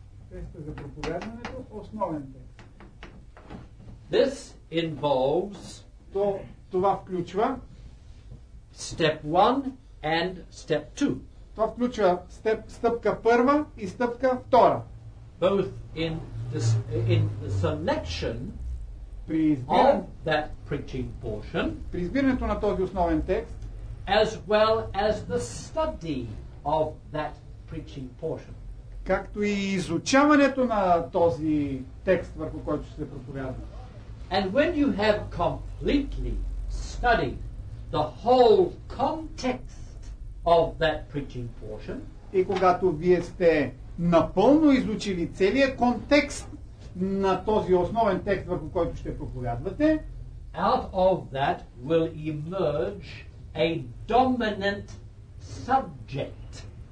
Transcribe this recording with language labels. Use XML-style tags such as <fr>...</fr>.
<bg>Текстът за проповядването. Основен текст.</bg> <en>This involves</en> <bg>това включва</bg> <en>step 1 and step 2.</en> <bg>Това включва стъпка първа и стъпка втора.</bg> <en>Both in the selection of that preaching portion.</en> <bg>При избирането на този основен текст,</bg> <en>as well as the study of that preaching portion.</en> <bg>Както и изучаването на този текст, върху който ще се проповядва.</bg> <en>And when you have completely studied the whole context of that preaching portion,</en> <bg>и когато вие сте напълно изучили целия контекст на този основен текст, върху който ще проповядвате,</bg> <en>out of that will emerge a dominant subject.</en>